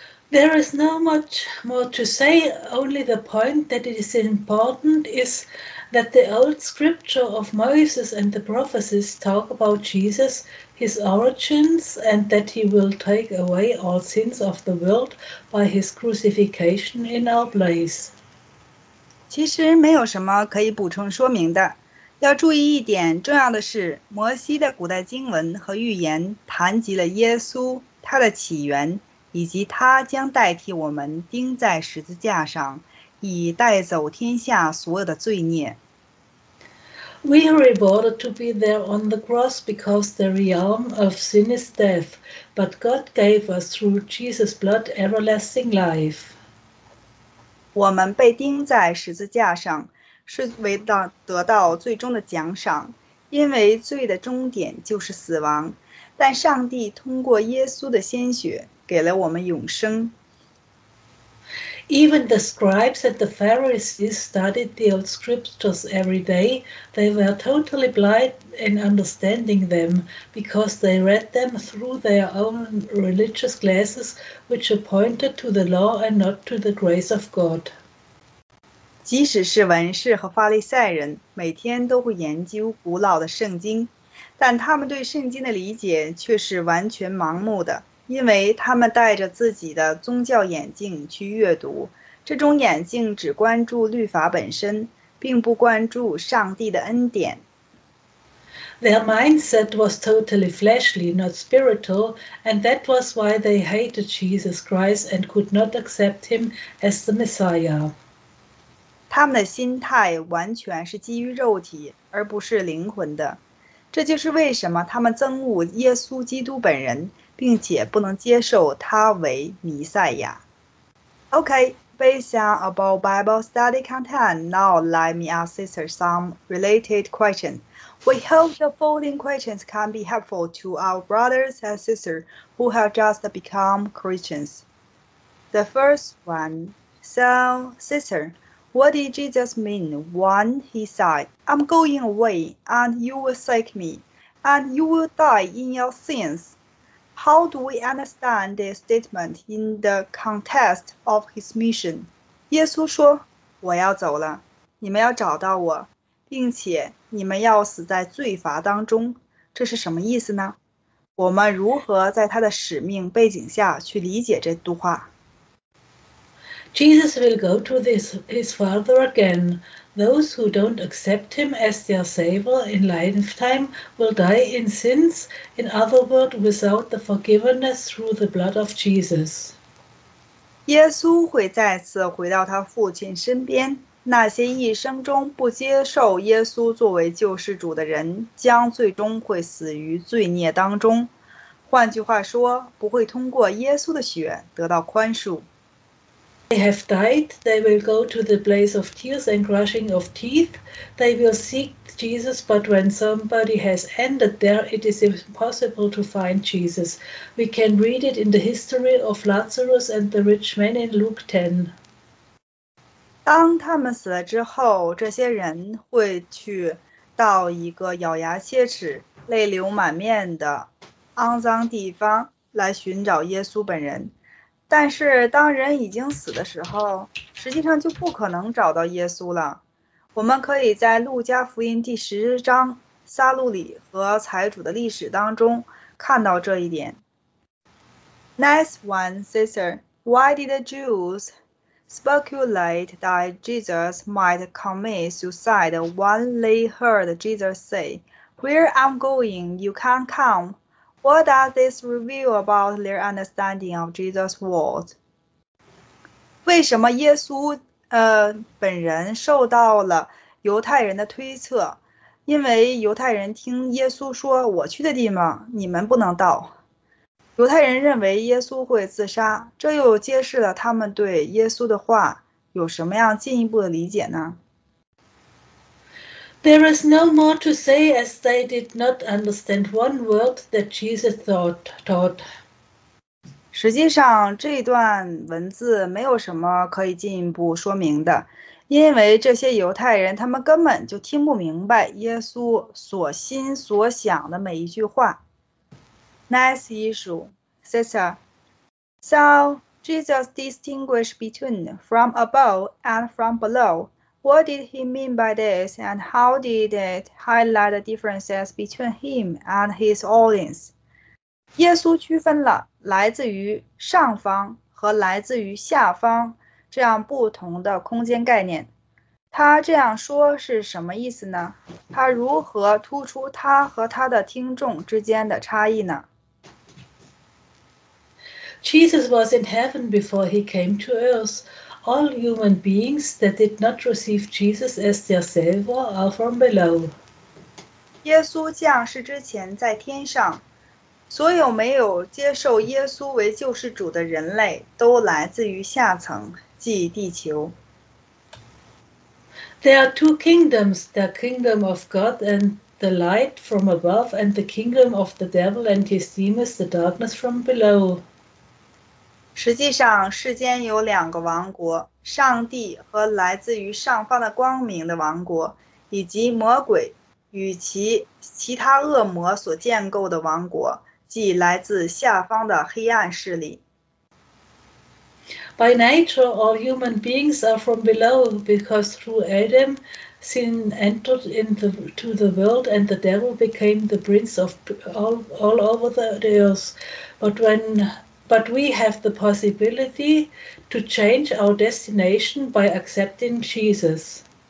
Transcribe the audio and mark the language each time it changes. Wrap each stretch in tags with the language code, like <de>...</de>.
<en>There is not much more to say, only the point that it is important is that the old scripture of Moses and the prophecies talk about Jesus, his origins, and that he will take away all sins of the world by his crucifixion in our place.</en> <zh>其实没有什么可以补充说明的。要注意一点，重要的是，摩西的古代经文和预言谈及了耶稣，他的起源，以及他将代替我们钉在十字架上，以带走天下所有的罪孽。</zh> <en>We are rewarded to be there on the cross because the realm of sin is death, but God gave us through Jesus' blood everlasting life.</en> <zh>我们被钉在十字架上，是为了得到最终的奖赏，因为罪的终点就是死亡。但上帝通过耶稣的鲜血，给了我们永生。</zh> <en>Even the scribes and the Pharisees studied the old scriptures every day. They were totally blind in understanding them because they read them through their own religious glasses, which pointed to the law and not to the grace of God.</en> <zh>即使是文士和法利赛人，每天都会研究古老的圣经，但他们对圣经的理解却是完全盲目的。因为他们戴着自己的宗教眼镜去阅读，这种眼镜只关注律法本身，并不关注上帝的恩典。</zh> <en>Their mindset was totally fleshly, not spiritual, and that was why they hated Jesus Christ and could not accept him as the Messiah.</en> <zh>他们的心态完全是基于肉体，而不是灵魂的。这就是为什么他们憎恶耶稣基督本人，并且不能接受他为弥赛亚。</zh> <en>Okay, based on about Bible study content, now let me ask sister some related questions. We hope the following questions can be helpful to our brothers and sisters who have just become Christians. The first one, so sister, what did Jesus mean when he said, I'm going away and you will seek me and you will die in your sins? How do we understand this statement in the context of his mission?</en> <zh>耶稣说，我要走了，你们要找到我，并且你们要死在罪罚当中。这是什么意思呢？我们如何在他的使命背景下去理解这段话？</zh> <en>Jesus will go to his father again. Those who don't accept him as their savior in lifetime will die in sins, in other words, without the forgiveness through the blood of Jesus.</en> <zh>耶稣会再次回到他父亲身边，那些一生中不接受耶稣作为救世主的人将最终会死于罪孽当中，换句话说，不会通过耶稣的血得到宽恕。</zh> <en>They have died, they will go to the place of tears and crushing of teeth. They will seek Jesus, but when somebody has ended there, it is impossible to find Jesus. We can read it in the history of Lazarus and the rich man in Luke 10.</en> <zh>当他们死了之后，这些人会去到一个咬牙切齿、泪流满面的肮脏地方来寻找耶稣本人。但是，当人已经死的时候，实际上就不可能找到耶稣了。我们可以在《路加福音》第10章撒路里和财主的历史当中看到这一点。</zh> <en>Nice one, sister. Why did the Jews speculate that Jesus might commit suicide when they heard Jesus say, "Where I'm going, you can't come"? What does this reveal about their understanding of Jesus' words?</en> <zh>为什么耶稣本人受到了犹太人的推测？因为犹太人听耶稣说：“我去的地方，你们不能到。” 犹太人认为耶稣会自杀，这又揭示了他们对耶稣的话有什么样进一步的理解呢？</zh> <en>There is no more to say as they did not understand one word that Jesus taught.</en> <zh>实际上，这段文字没有什么可以进一步说明的，因为这些犹太人他们根本就听不明白耶稣所心所想的每一句话。</zh> <en>Nice issue, sister. So Jesus distinguished between from above and from below. What did he mean by this, and how did it highlight the differences between him and his audience?</en> <zh>耶稣区分了来自于上方和来自于下方这样不同的空间概念。他这样说是什么意思呢？他如何突出他和他的听众之间的差异呢？</zh> <en>Jesus was in heaven before he came to earth. All human beings that did not receive Jesus as their savior are from below.</en> <zh>耶稣降世之前在天上。所有没有接受耶稣为救世主的人类，都来自于下层，即地球。</zh> <en>There are two kingdoms, the kingdom of God and the light from above, and the kingdom of the devil and his demons, the darkness from below.</en> <zh>实际上，世间有两个王国：上帝和来自于上方的光明的王国，以及魔鬼与其他恶魔所建构的王国。即来自下方的黑暗势力。</zh> <en>By nature, all human beings are from below because through Adam, sin entered into the world and the devil became the prince of all over the earth. But we have the possibility to change our destination by accepting Jesus.</en>